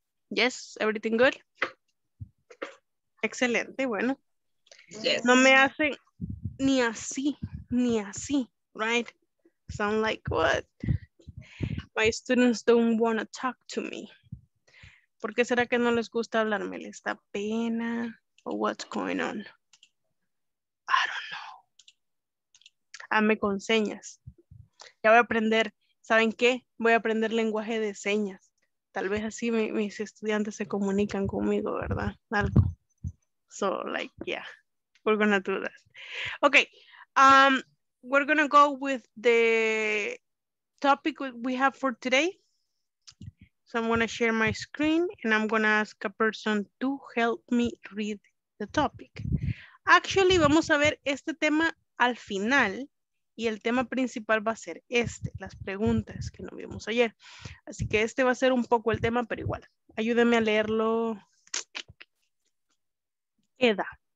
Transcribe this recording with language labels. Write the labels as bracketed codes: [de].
[en] Yes, everything good? [es] Excelente, bueno. [en] Yes. [es] No me hacen ni así, [en] right? So I'm like, what? My students don't want to talk to me. [es] ¿Por qué será que no les gusta hablarme? ¿Les da pena? ¿O [en] what's going on? [es] Hazme con señas. Ya voy a aprender, ¿saben qué? Voy a aprender lenguaje de señas. Tal vez así mis estudiantes se comunican conmigo, ¿verdad? [en] Algo. So, like, yeah. We're gonna do that. Okay. We're gonna go with the topic we have for today. So I'm gonna share my screen and I'm gonna ask a person to help me read the topic. [es] Actually, vamos a ver este tema al final. Y el tema principal va a ser este, las preguntas que no vimos ayer. Así que este va a ser un poco el tema, pero igual. Ayúdeme a leerlo. Eda.